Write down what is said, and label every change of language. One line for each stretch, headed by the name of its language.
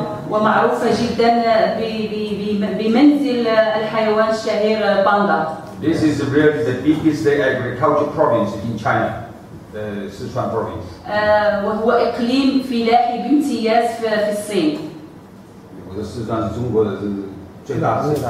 Arabic: ومعروفة جدا بمنزل الحيوان الشهير باندا.
English: This is really the biggest agricultural province in China, the Sichuan province.
Arabic: وهو إقليم فلاحي بامتياز في الصين. وهذا سيشوان زونغ هو الجزء الأكبر.